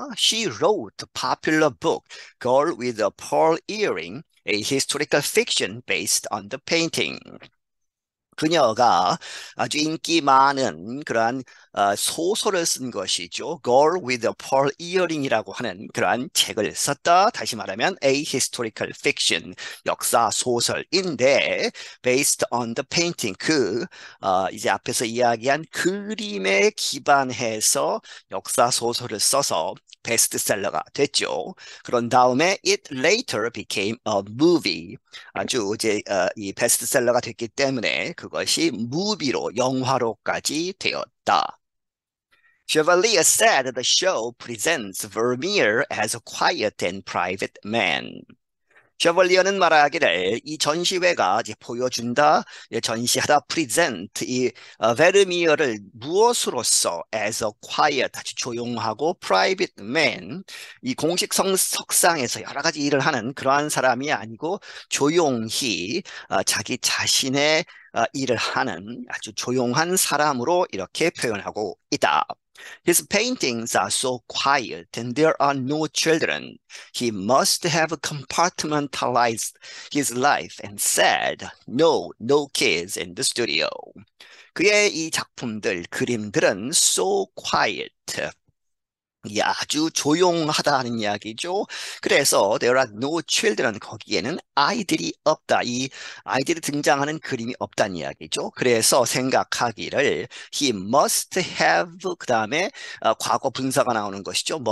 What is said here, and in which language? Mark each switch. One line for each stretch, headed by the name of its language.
English: She wrote popular book, Girl with a Pearl Earring, a historical fiction based on the painting.
Korean: 그녀가 아주 인기 많은 그러한 소설을 쓴 것이죠. Girl with a Pearl Earring이라고 하는 그러한 책을 썼다. 다시 말하면
English: a historical fiction,
Korean: 역사 소설인데
English: based on the painting,
Korean: 그 이제 앞에서 이야기한 그림에 기반해서 역사 소설을 써서 베스트셀러가 됐죠. 그런 다음에
English: it later became a movie.
Korean: 아주 이제 이 베스트셀러가 됐기 때문에 그것이 무비로 영화로까지 되었다.
English: Chevalier said the show presents Vermeer as a quiet and private man.
Korean: 셰벌리어는 말하기를 이 전시회가 이제 보여준다, 전시하다, present 이 베르미어를 무엇으로써
English: as a quiet,
Korean: 아주 조용하고
English: private man,
Korean: 이 공식 석상에서 여러 가지 일을 하는 그러한 사람이 아니고 조용히 자기 자신의 일을 하는 아주 조용한 사람으로 이렇게 표현하고 있다.
English: His paintings are so quiet and there are no children. He must have compartmentalized his life and said, No, no kids in the studio.
Korean: 그의 이 작품들, 그림들은
English: so quiet.
Korean: 이 아주 조용하다는 이야기죠. 그래서
English: there are no children.
Korean: 거기에는 아이들이 없다. 이 아이들이 등장하는 그림이 없다는 이야기죠. 그래서 생각하기를
English: he must have,
Korean: 그 다음에 과거 분사가 나오는 것이죠.